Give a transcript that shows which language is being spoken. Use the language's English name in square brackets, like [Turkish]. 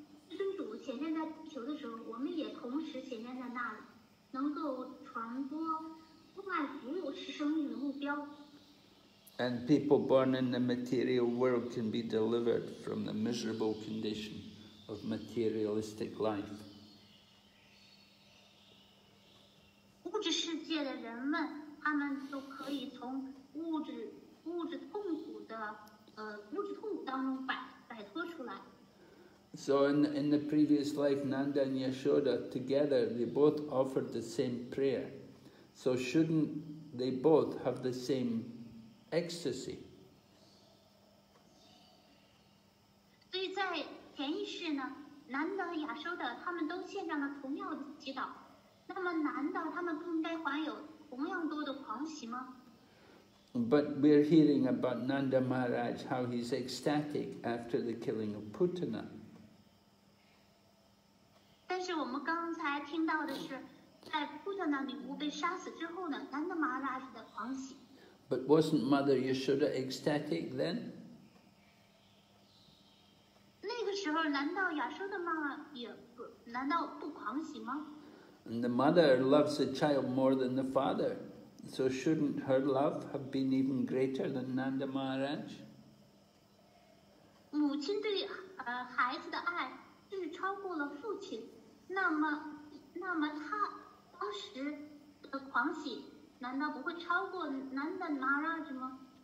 [Chinese] 尊主显现在地球的时候，我们也同时显现在那里，能够传播、关爱、服务是生命的目标。 [English] And people born in the material world can be delivered from the miserable condition of materialistic life. [Chinese] 物质世界的人们，他们都可以从物质痛苦当中摆脱出来。 [English] So in the previous life, Nanda and Yashoda together, they both offered the same prayer. So shouldn't they both have the same ecstasy? [Chinese] 所以在前一世呢，南德、亚修的他们都献上了同样的祈祷。那么南德他们不应该怀有同样多的狂喜吗？ [English] But we're hearing about Nanda Maharaj, how he's ecstatic after the killing of Putana. [Chinese] 但是我们刚才听到的是，在 Putana 女巫被杀死之后呢，南德玛拉的狂喜。 [English] But wasn't Mother Yashoda ecstatic then? [Chinese] 那个时候难道亚修的妈妈也不难道不狂喜吗？ [English] And the mother loves the child more than the father, so shouldn't her love have been even greater than Nanda Maharaj? [Chinese] 母亲对孩子的爱是超过了父亲，那么他当时的狂喜难道不会超过 Nanda Maharaj 吗？